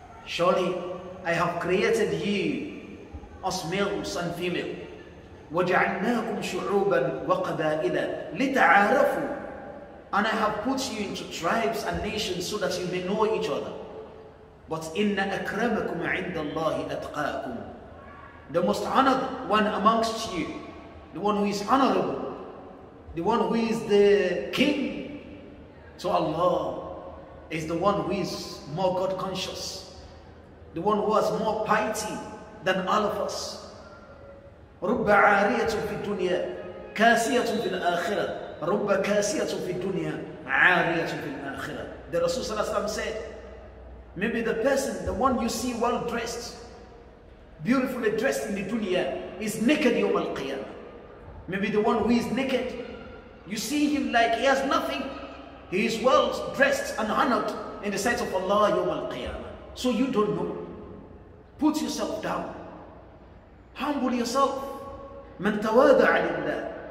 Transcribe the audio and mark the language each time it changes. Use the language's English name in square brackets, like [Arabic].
[English] Surely I have created you, us males and female. [Arabic] وَجَعَلْنَاكُمْ شُعُوبًا وَقَبَائِلًا لِتَعَارَفُوا. [English] And I have put you into tribes and nations so that you may know each other. [Arabic] But إِنَّ أَكْرَمَكُمْ عِنْدَ اللَّهِ أَتْقَاكُمْ. [English] The most honored one amongst you, the one who is honorable, the one who is the king to Allah, is the one who is more God conscious, the one who has more piety than all of us. [Arabic] رُبَّ عَارِيَةٌ فِي الدُّنْيَا كَاسِيَةٌ فِي الْآخِرَةِ [English] رُبَّ كَاسِيَةٌ فِي الدُّنْيَا عَارِيَةٌ فِي الْآخِرَةِ. The Rasulullah صلى الله عليه وسلم said, maybe the person, the one you see well dressed, beautifully dressed in the dunya, is naked يوم القيامة. Maybe the one who is naked, you see him like he has nothing, he is well dressed and honored in the sight of Allah يوم القيامة. So you don't know. Put yourself down. Humble yourself. [Arabic] من تواضع لله.